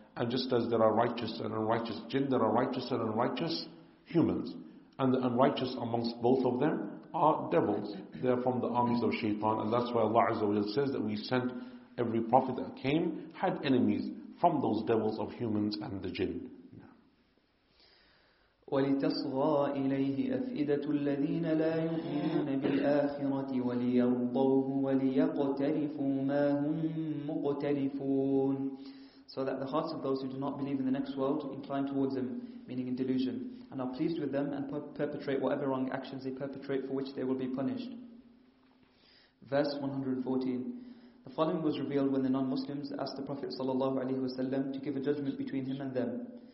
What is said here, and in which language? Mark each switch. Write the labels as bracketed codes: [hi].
[en] And just as there are righteous and unrighteous jinn, there are righteous and unrighteous humans. And the unrighteous amongst both of them are devils. They are from the armies of shaitan. And that's why Allah Azza wa Jalla says that we sent every prophet that came had enemies from those devils of humans and the jinn. [ar] ولتصغى إليه أفئدة الذين لا يؤمنون بالآخرة وليرضوه وليقترفوا ما هم مقترفون. [en] So that the hearts of those who do not believe in the next world incline towards them, meaning in delusion, and are pleased with them and perpetrate whatever wrong actions they perpetrate for which they will be punished. Verse 114. The following was revealed when the non-Muslims asked the Prophet sallallahu alaihi wasallam to give a judgment between him and them.